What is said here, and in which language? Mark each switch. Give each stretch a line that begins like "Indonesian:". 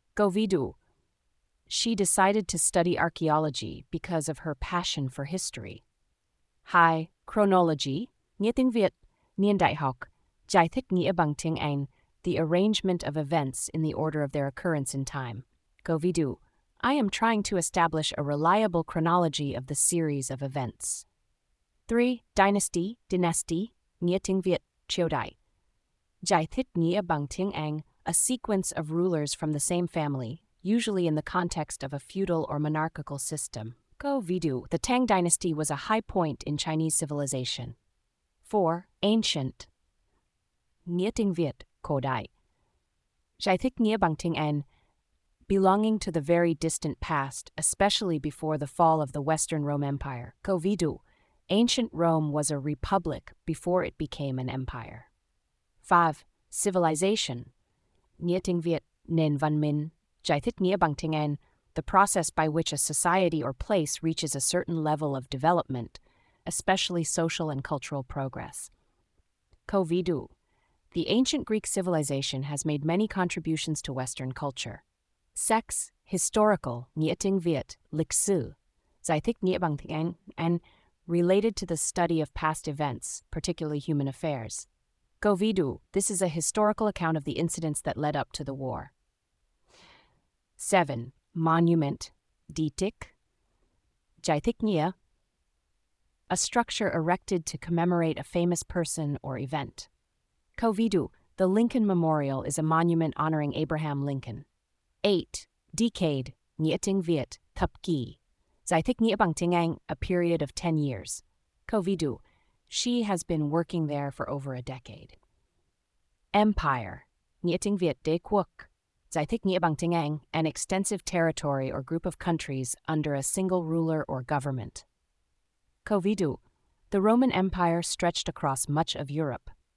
Vietnamese: Câu ví dụ,
English: She decided to study archaeology because of her passion for history.
Vietnamese: Hai, Chronology, nghĩa tiếng Việt, niên đại học, giải thích nghĩa bằng tiếng Anh,
English: the arrangement of events in the order of their occurrence in time.
Vietnamese: Câu ví dụ,
English: I am trying to establish a reliable chronology of the series of events. 3.
Vietnamese: Dynasty, dynasty, nghĩa tiếng Việt, triều đại. Giải thích nghĩa bằng tiếng Anh,
English: a sequence of rulers from the same family, usually in the context of a feudal or monarchical system.
Vietnamese: Câu ví dụ,
English: the Tang dynasty was a high point in Chinese civilization. 4.
Vietnamese: Ancient, nghĩa tiếng Việt, cổ đại. Giải thích nghĩa bằng tiếng Anh,
English: belonging to the very distant past, especially before the fall of the Western Rome Empire.
Vietnamese: Câu ví dụ,
English: ancient Rome was a republic before it became an empire. 5.
Vietnamese: Civilization, nghĩa tiếng Việt, nền văn minh. Giải thích nghĩa bằng tiếng Anh,
English: the process by which a society or place reaches a certain level of development, especially social and cultural progress.
Vietnamese: Câu ví dụ,
English: the ancient Greek civilization has made many contributions to Western culture. 6.
Vietnamese: Historical, nghĩa tiếng Việt, lịch sử, giải thích nghĩa bằng tiếng Anh,
English: and related to the study of past events, particularly human affairs.
Vietnamese: Câu ví dụ,
English: this is a historical account of the incidents that led up to the war. 7. Monument,
Vietnamese: di tích, giải thích nghĩa,
English: a structure erected to commemorate a famous person or event.
Vietnamese: Câu ví dụ,
English: the Lincoln Memorial is a monument honoring Abraham Lincoln. 8.
Vietnamese: Decade, nghĩa tiếng Việt, thập kỷ, giải thích nghĩa bằng tiếng Anh,
English: a period of 10 years.
Vietnamese: Câu ví dụ,
English: she has been working there for over a decade. Empire,
Vietnamese: nghĩa tiếng Việt, đế quốc, giải thích nghĩa bằng tiếng Anh,
English: an extensive territory or group of countries under a single ruler or government.
Vietnamese: Câu ví dụ,
English: the Roman Empire stretched across much of Europe.